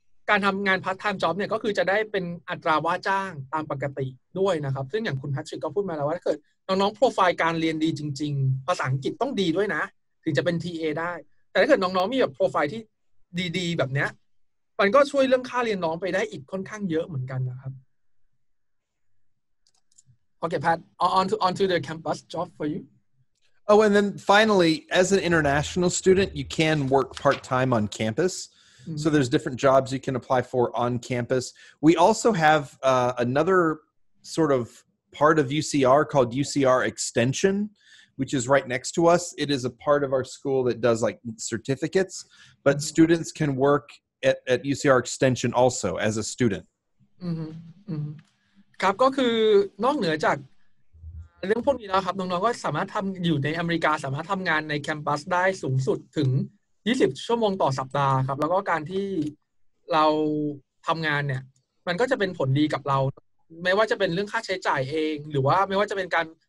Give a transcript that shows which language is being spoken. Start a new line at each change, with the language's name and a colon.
Thai: การทำงาน part time job เนี่ยก็คือจะได้เป็นอัตราว่าจ้างตามปกติด้วยนะครับซึ่งอย่างคุณแพทริกก็พูดมาแล้วว่าถ้าเกิดน้องๆโปรไฟล์การเรียนดีจริงๆภาษาอังกฤษต้องดีด้วยนะถึงจะเป็น TA ได้แต่ถ้าเกิดน้องๆมีแบบโปรไฟล์ที่ดีๆแบบเนี้ยมันก็ช่วยเรื่องค่าเรียนน้องไปได้อีกค่อนข้างเยอะเหมือนกันนะครับโอเคแพท
English: onto the campus job for you oh and then finally as an international student you can work part time on campus mm-hmm. so there's different jobs you can apply for on campus we also have another sort of part of UCR called UCR Extension which is right next to us it is a part of our school that does like certificates but mm-hmm. students can work at UCR Extension also as a student mm-hmm. Mm-hmm.
Thai: ครับก็คือนอกเหนือจากเรื่องพวกนี้แล้วครับน้องๆก็สามารถทำอยู่ในอเมริกาสามารถทำงานในแคมปัสได้สูงสุดถึง20ชั่วโมงต่อสัปดาห์ครับแล้วก็การที่เราทำงานเนี่ยมันก็จะเป็นผลดีกับเราไม่ว่าจะเป็นเรื่องค่าใช้จ่ายเองหรือว่าไม่ว่าจะเป็นการ